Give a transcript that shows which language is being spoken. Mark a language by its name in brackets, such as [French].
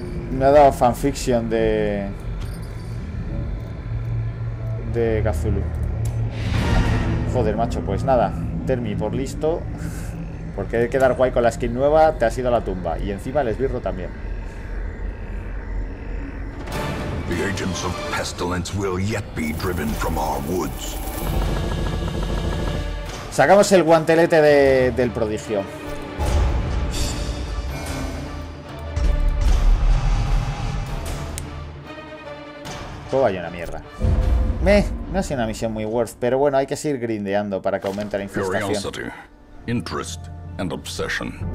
[Spanish] Me ha dado fanfiction de Cthulhu. Joder, macho, pues nada, Termi, por listo, porque de quedar guay con la skin nueva, te has ido a la tumba y encima el esbirro también. [English] The agents of pestilence will yet be driven from our woods. [Spanish] Sacamos el guantelete de del prodigio. Todo vaya una mierda. No ha sido una misión muy worth, pero bueno, hay que seguir grindeando para que aumente la infestación. [English] Interest and obsession.